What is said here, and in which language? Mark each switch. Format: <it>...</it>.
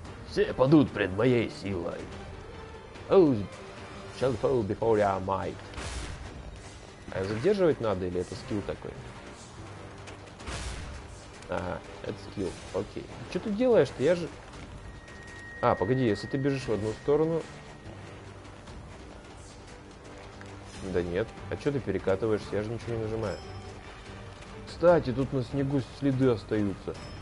<ru>Все падут пред моей силой.</ru> <en>All shall fall before your might.</en> <ru>А задерживать надо или это скилл такой? Ага, это скилл, окей. Что ты делаешь-то? Я же... А, погоди, если ты бежишь в одну сторону... Да нет, а что ты перекатываешься? Я же ничего не нажимаю. Кстати, тут на снегу следы остаются.</ru>